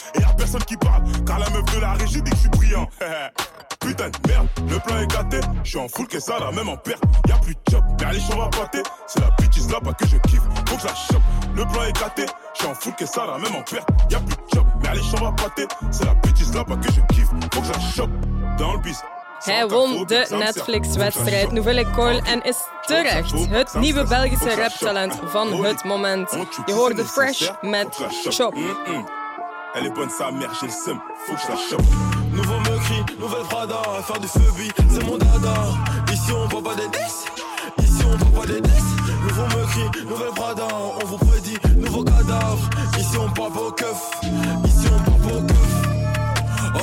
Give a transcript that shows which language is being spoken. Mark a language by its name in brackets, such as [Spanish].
[French] Et y'a personne qui parle, car la meuf de la régie dit que je suis brillant. Putain de merde, le plan est gâté. Je suis en full que ça, là, même en perte. Y'a plus de job, mais allez, je vais pointer. C'est la bêtise là, pas que je kiffe, faut que je la chope. Le plan est gâté, je suis en full que ça, là, même en perte. Y'a plus de job, mais allez, je vais pointer. C'est la bêtise là, pas que je kiffe, faut que je la chope. Dans le bis. [Dutch] Hij won de Netflix-wedstrijd Nouvelle École en is terecht het nieuwe Belgische raptalent van het moment. Je hoort de Fresh met Chop. [French] Elle est bonne sa mère, j'ai le seum, faut que je la chope. Nouveau Mercury, nouvelle Prada, faire du feu bi, c'est mon dada. Ici on voit pas des 10, ici on voit pas des 10. Nouveau Mercury, nouvelle Prada, on vous prédit, nouveau cadavre. Ici on parle pas au keuf, ici on parle pas au keuf.